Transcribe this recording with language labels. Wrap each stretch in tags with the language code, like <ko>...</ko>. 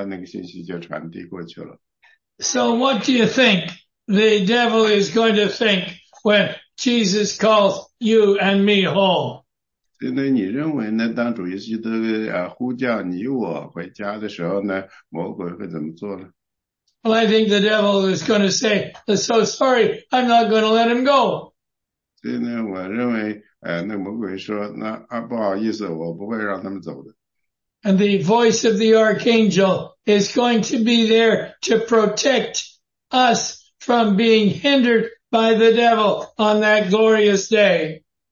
<zh>现在那个天使长跟那个魔鬼说不,你不能阻挡神的信息的传递,然后呢,那个天使长呢,就移开了那个魔鬼,然后呢,神的那个信息就传递过去了。</zh> <en>So what do you think the devil is going to think when Jesus calls you and me home?</en> <zh>现在你认为呢,当主耶稣基督呼叫你我回家的时候呢,魔鬼会怎么做呢?</zh> <en>Well, I think the devil is going to say, I'm so sorry, I'm not going to let him go.</en> <zh>所以呢,我认为,那魔鬼说,不好意思,我不会让他们走的。</zh> <en>And the voice of the archangel is going to be there to protect us from being hindered by the devil on that glorious day.</en>